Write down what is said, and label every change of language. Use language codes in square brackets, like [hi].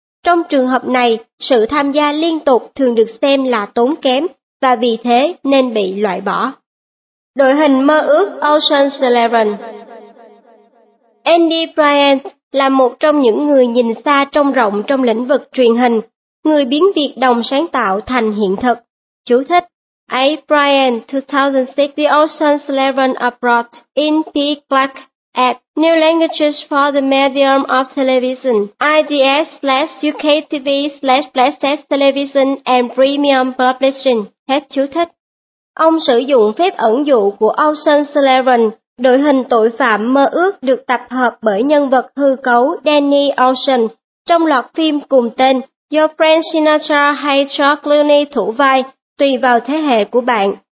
[vi] Trong trường hợp này, sự tham gia liên tục thường được xem là tốn kém và vì thế nên bị loại bỏ. Đội hình mơ ước Ocean's Eleven. Andy Bryant là một trong những người nhìn xa trông rộng trong lĩnh vực truyền hình, người biến việc đồng sáng tạo thành hiện thực. Chú thích: A. [en] Bryant, 2006, The Ocean's Eleven Abroad, in Pitch Black, at New Languages for the Medium of Television, IDS/UKTV/Blessed Television and Premium Publishing. [vi] Hết chú thích. Ông sử dụng phép ẩn dụ của Ocean's Eleven, đội hình tội phạm mơ ước được tập hợp bởi nhân vật hư cấu Danny Ocean trong loạt phim cùng tên do Frank Sinatra hay George Clooney thủ vai, tùy vào thế hệ của bạn.